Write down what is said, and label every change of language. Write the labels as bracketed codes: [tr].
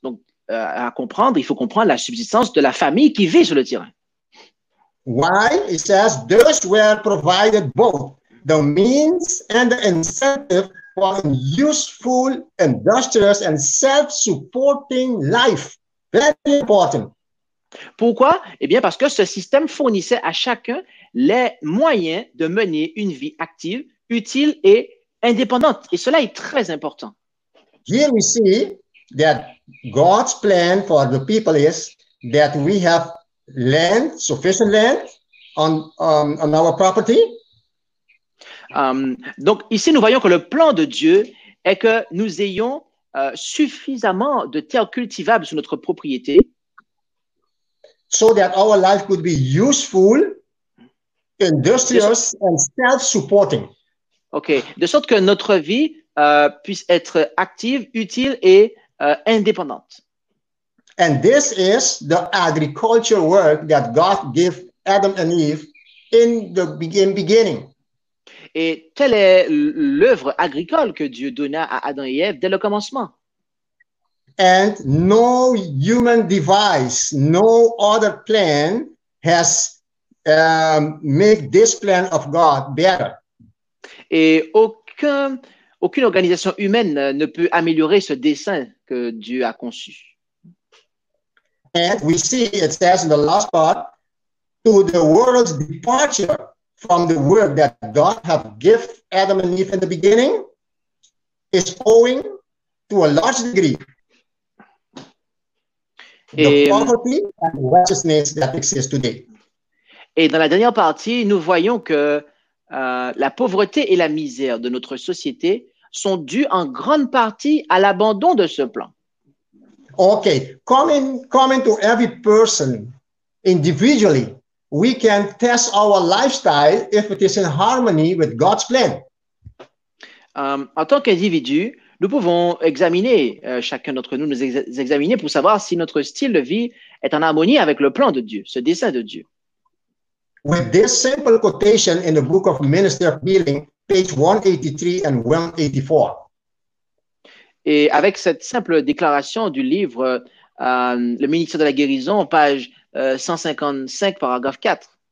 [fr] Donc, à comprendre, il faut comprendre la subsistance de la famille qui vit sur le terrain. [en] Why? He says, those were provided both the means and the incentive for a useful, industrious, and self-supporting life. Very important. [fr] Pourquoi? Eh bien, parce que ce système fournissait à chacun les moyens de mener une vie active, utile et indépendante. Et cela est très important. [en] Here we see that God's plan for the people is that we have land, sufficient land, on our property. [fr] Donc ici, nous voyons que le plan de Dieu est que nous ayons suffisamment de terres cultivables sur notre propriété. [en] So that our life could be useful, industrious, and self-supporting. OK. [fr] De sorte que notre vie puisse être active, utile et indépendante. [en] And this is the agriculture work that God gives Adam and Eve in the beginning. [fr] Et telle est l'œuvre agricole que Dieu donna à Adam et Ève dès le commencement. [en] And no human device, no other plan has made this plan of God better. [fr] Et aucune organisation humaine ne peut améliorer ce dessein que Dieu a conçu. [en] And we see it says in the last part, to the world's departure from the work that God have given Adam and Eve in the beginning is owing to a large degree the poverty and righteousness that exists today. [fr] Et dans la dernière partie, nous voyons que la pauvreté et la misère de notre société sont dues en grande partie à l'abandon de ce plan. [en] Okay, coming to every person individually, we can test our lifestyle if it is in harmony with God's plan. [fr] En tant qu'individu, nous pouvons examiner chacun d'entre nous, nous examiner pour savoir si notre style de vie est en harmonie avec le plan de Dieu, ce dessein de Dieu. [en] With this simple quotation in the book of Ministry of Healing, page 183 and 184. [fr] Et avec cette simple déclaration du livre Le ministère de la guérison, page 155, paragraphe 4.